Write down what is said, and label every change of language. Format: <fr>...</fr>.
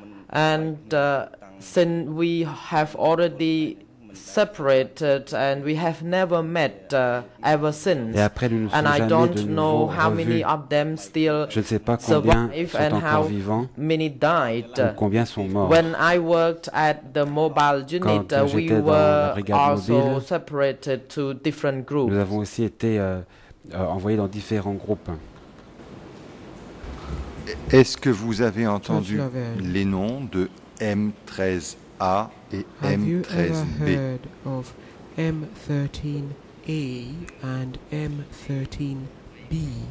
<en>And since we have already separated and we have never met ever since, and I don't know how many of them still survive and how many died. When I worked at the mobile unit, we were also separated to different groups.</en> <fr>Nous avons aussi été envoyés dans différents groupes. Est-ce que vous avez entendu les noms de M13A?</fr> <en>Have you ever heard of M13A and M13B?</en>